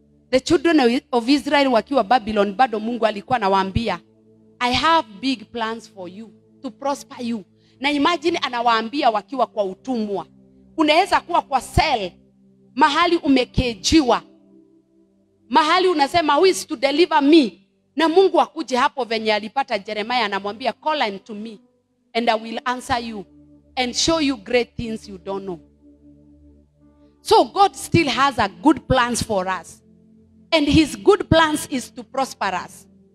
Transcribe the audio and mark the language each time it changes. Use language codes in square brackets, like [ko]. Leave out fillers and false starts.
[en] The children of Israel [sw] wakiwa Babylon, bado Mungu alikuwa anawaambia, [en] I have big plans for you, to prosper you. [sw] Na imagine anawaambia wakiwa kwa utumwa. Unaweza kuwa kwa cell, mahali umekejiwa. Mahali unasema, [en] who is to deliver me? [sw] Na Mungu akuje hapo venye alipata Jeremiah, anamwambia, [en] call unto me and I will answer you and show you great things you don't know. So God still has a good plans for us. And his good plans is to prosper us.